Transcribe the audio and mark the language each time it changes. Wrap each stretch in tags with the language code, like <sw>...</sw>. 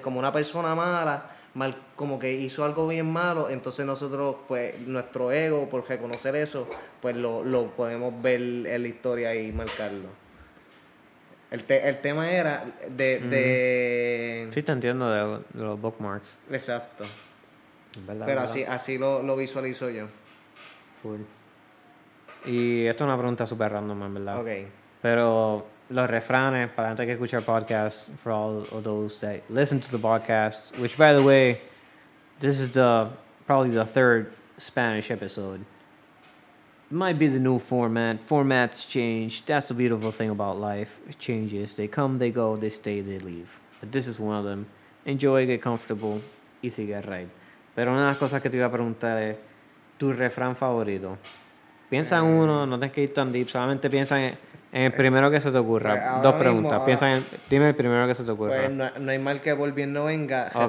<es>Como una persona mala, mal, como que hizo algo bien malo, entonces nosotros, pues, nuestro ego, por reconocer eso, pues lo podemos ver en la historia y marcarlo. El tema era de... Sí, te entiendo, de los bookmarks. Exacto. Pero así lo visualizo yo.</es> <en>Cool.</en> <es>Y esto es una pregunta súper random, en verdad. Ok. Pero los refranes, para antes que escuchar podcast,</es> <en>for all of those that listen to the podcast, which, by the way, this is probably the third Spanish episode. Might be the new format. Formats change. That's the beautiful thing about life. It changes. They come, they go, they stay, they leave. But this is one of them. Enjoy, get comfortable,</en> <es>y sigue</es> <en>right.</en> <es>Pero una de las cosas que te iba a preguntar es, ¿tu refrán favorito? Piensa en uno, no tienes que ir tan deep, solamente piensa en el primero que se te ocurra. Pues, dos preguntas. Mismo, dime el primero que se te ocurra. Pues, no hay mal que por bien no venga, okay.</es>